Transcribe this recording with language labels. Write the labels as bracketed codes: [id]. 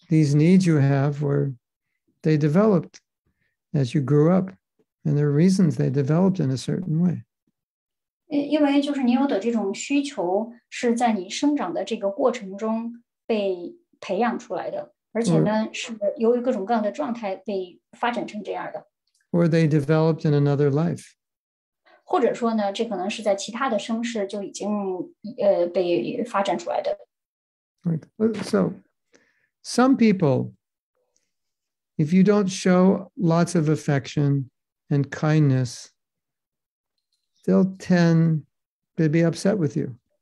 [en] these needs you have were, they developed as you grew up, and there are reasons they developed in a certain way. [zh] 因为就是你有的这种需求是在你生长的这个过程中被培养出来的，而且呢是由于各种各样的状态被发展成这样的。 [en] or they developed in another life. [zh] 或者说呢, 这可能是在其他的生世就已经, 被发展出来的。 [en] Right. So, some people, if you don't show lots of affection and kindness, they'll tend to be upset with you.